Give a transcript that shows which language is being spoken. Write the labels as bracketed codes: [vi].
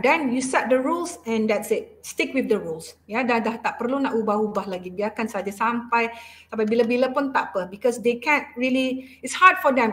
[en] Then you set the rules and that's it. Stick with the rules. [ms] Ya, dah tak perlu nak ubah-ubah lagi. Biarkan saja sampai bila-bila pun tak apa. [en] Because they can't really, it's hard for them.